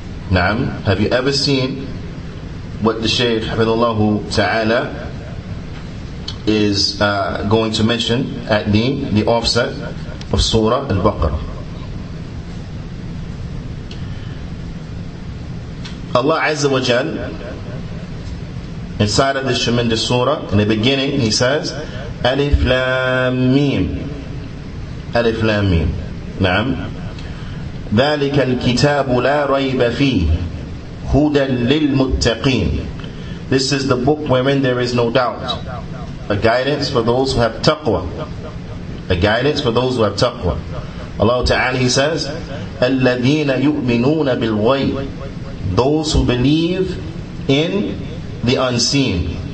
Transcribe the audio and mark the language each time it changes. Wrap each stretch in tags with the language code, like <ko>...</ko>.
<en>Naam, have you ever seen what the Shaykh hafidhahullah ta'ala is going to mention at the offset of Surah Al-Baqarah? Allah Azza wa Jal, inside of this tremendous surah, in the beginning, he says, Alif Lam Mim. Alif Lam Mim. Naam.</en> <ar>ذلك الكتاب لا ريب فيه هدى للمتقين.</ar> <en>This is the book wherein there is no doubt. A guidance for those who have taqwa. A guidance for those who have taqwa. Allah Ta'ala, he says,</en> <ar>الذين يؤمنون بالغيب.</ar> <en>Those who believe in the unseen.</en>